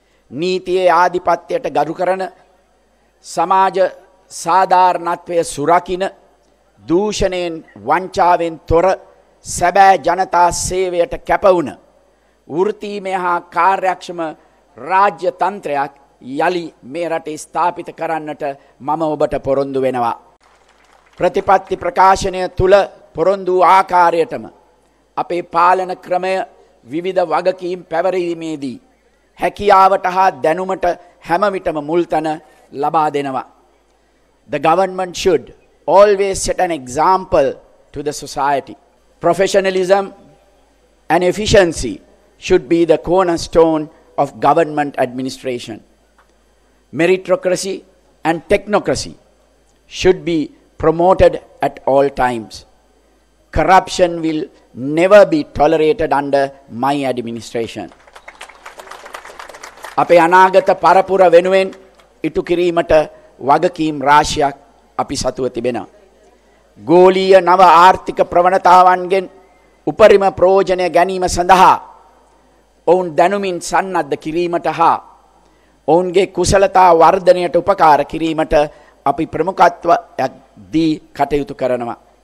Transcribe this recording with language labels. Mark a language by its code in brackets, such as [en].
[si] නීතියේ ආධිපත්‍යයට ගරු කරන, සමාජ සාධාරණත්වය සුරකින, දූෂණයෙන් වංචාවෙන් තොර සැබෑ ජනතා සේවයට කැපවුණ වෘත්තීමය හා කාර්යක්ෂම රාජ්‍ය තන්ත්‍රයක් යළි මේ රටේ ස්ථාපිත කරන්නට මම ඔබට පොරොන්දු වෙනවා. ප්‍රතිපත්ති ප්‍රකාශනය තුළ පොරොන්දු ආකාරයටම අපේ පාලන ක්‍රමය විවිධ වගකීම් පැවරීමේදී හැකියාවට හා දැනුමට හැමවිටම මුල්තැන ලබා දෙනවා. [en] The government should always set an example to the society. Professionalism and efficiency should be the cornerstone of government administration. Meritocracy and technocracy should be promoted at all times. Corruption will never be tolerated under my administration. [si] අපේ අනාගත පරපුර වෙනුවෙන් ඉටු කිරීමට වගකීම් රාශියක් අපි සතුව තිබෙනවා. ගෝලීය නව ආර්ථික ප්‍රවණතාවන්ගෙන් උපරිම ප්‍රයෝජනය ගැනීම සඳහා ඔවුන් දැනුමින් සන්නද්ධ කිරීමට හා ඔවුන්ගේ කුසලතා වර්ධනයට උපකාර කිරීමට අපි ප්‍රමුඛත්වයක් දී කටයුතු කරනවා.